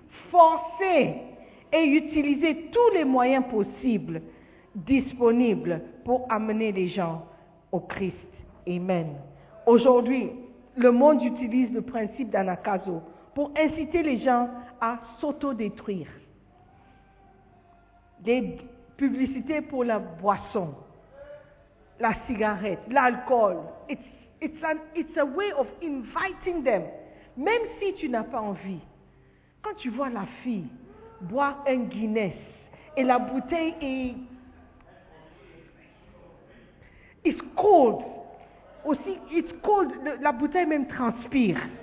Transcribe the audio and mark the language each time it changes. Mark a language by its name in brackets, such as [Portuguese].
[French] forcer et utiliser tous les moyens possibles, disponibles pour amener les gens au Christ. Amen. Aujourd'hui, le monde utilise le principe d'anakazo pour inciter les gens à s'autodétruire. Des publicités pour la boisson, la cigarette, l'alcool. [English] It's a way of inviting them. [French] Même si tu n'as pas envie, quand tu vois la fille boire un Guinness et la bouteille est... [English] It's cold. [French] Aussi, [English] it's cold, [French] la bouteille même transpire.